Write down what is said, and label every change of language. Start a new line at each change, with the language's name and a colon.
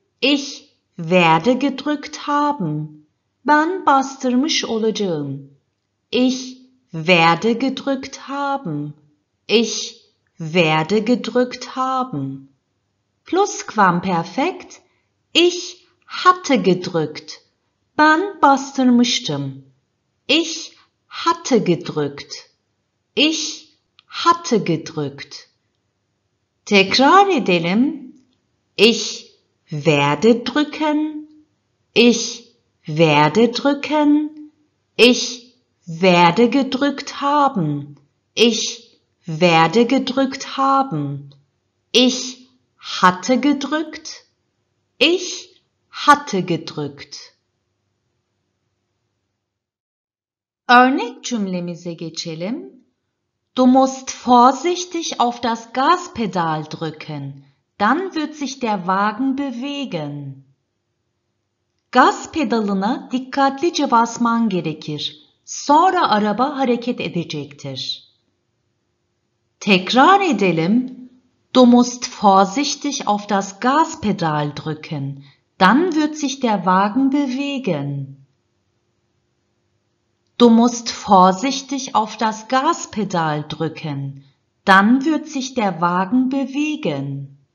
German: Ich werde gedrückt haben.
Turkish: Ben bastırmış olacağım.
German: Ich werde gedrückt haben. Ich werde gedrückt haben. Plusquamperfekt. Ich hatte gedrückt.
Turkish: Ben bastırmıştım.
German: Ich hatte gedrückt. Ich hatte gedrückt.
Turkish: Tekrar edelim.
German: Ich werde drücken. Ich werde drücken. Ich werde gedrückt haben. Ich werde gedrückt haben. Ich hatte gedrückt. Ich hatte gedrückt.
Turkish: Örnek cümlemize geçelim.
German: Du musst vorsichtig auf das Gaspedal drücken. Dann wird sich der Wagen bewegen.
Turkish: Gaz pedalına dikkatlice basman gerekir. Sonra araba hareket edecektir. Tekrar edelim.
German: Du musst vorsichtig auf das Gaspedal drücken. Dann wird sich der Wagen bewegen. Du musst vorsichtig auf das Gaspedal drücken. Dann wird sich der Wagen bewegen.